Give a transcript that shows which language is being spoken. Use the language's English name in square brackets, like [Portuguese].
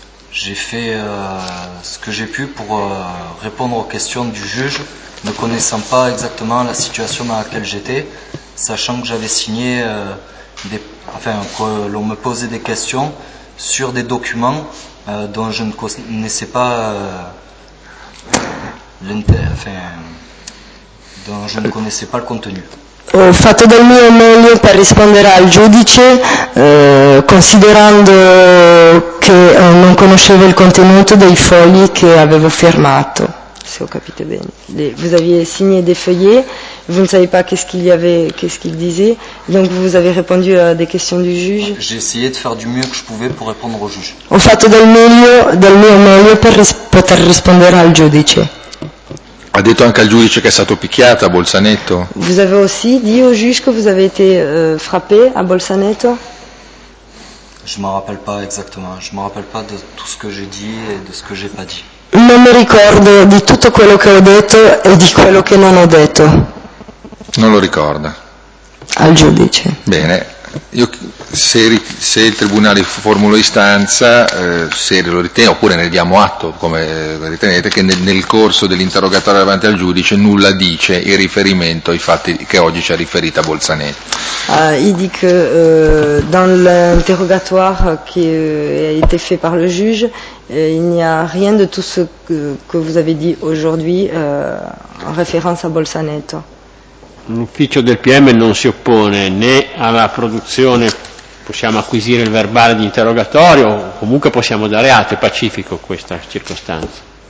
[French] J'ai fait ce que j'ai pu pour répondre aux questions du juge, ne connaissant pas exactement la situation dans laquelle j'étais, sachant que j'avais signé, que l'on me posait des questions sur des documents dont je ne connaissais pas dont je ne connaissais pas le contenu. [Italian] Ho fatto del mio meglio per rispondere al giudice, considerando che non conoscevo il contenuto dei fogli che avevo firmato. Se ho capito bene. [French] Vous aviez signé des feuillets, vous ne savez pas qu'est-ce qu'il y avait, qu'est-ce qu'il disait, donc vous avez répondu à des questions du juge. J'ai essayé de faire du mieux que je pouvais pour répondre au juge. [Italian] Ho fatto del mio meglio per poter rispondere al giudice. Ha detto anche al giudice che è stato picchiata a Bolzaneto. [French] Vous avez aussi dit au juge que vous avez été frappé à Bolzaneto? Je m'en rappelle pas exactement. Je m'en rappelle pas de tout ce que j'ai dit et de ce que j'ai pas dit. [Italian] Non mi ricordo di tutto quello che ho detto e di quello che non ho detto. Non lo ricorda. Al giudice. Bene. Io, se il tribunale formula istanza, se lo ritiene, oppure ne diamo atto, come ritenete, che nel corso dell'interrogatorio davanti al giudice nulla dice in riferimento ai fatti che oggi ci ha riferito a Bolzaneto. [French] Il dit que dans l'interrogatoire qui a été fait par le juge, il n'y a rien de tout ce que vous avez dit aujourd'hui en référence à Bolzaneto. [Italian] L'ufficio del PM non si oppone né alla produzione, possiamo acquisire il verbale di interrogatorio, comunque possiamo dare atto, è pacifico questa circostanza.